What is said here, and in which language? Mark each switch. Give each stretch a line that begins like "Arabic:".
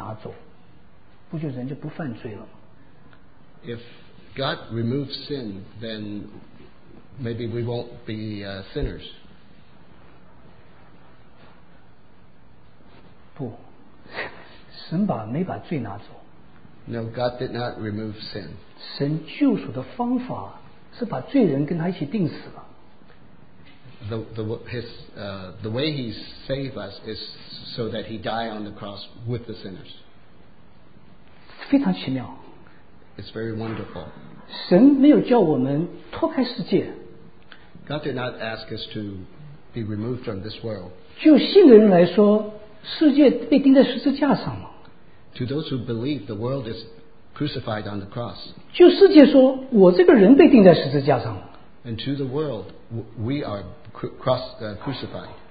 Chinese: 神如果把罪拿走，不就人就不犯罪了吗？
English: If God removes sin, then maybe we won't be sinners.
Chinese: 不，神没把罪拿走。
English: No, God did not remove sin.
Chinese: 神救赎的方法是把罪人跟他一起钉死了。
English: The way he saved us is so that he died on the cross with the sinners.
Chinese: 非常奇妙。
English: It's very wonderful.
Chinese: 神没有叫我们脱开世界。
English: God did not ask us to be removed from this world.
Chinese: 就信的人来说, 世界被钉在十字架上了。
English: To those who believe, the world is crucified on the cross.
Chinese: 就世界说, 我这个人被钉在十字架上了。
English: And to the world, we are crucified.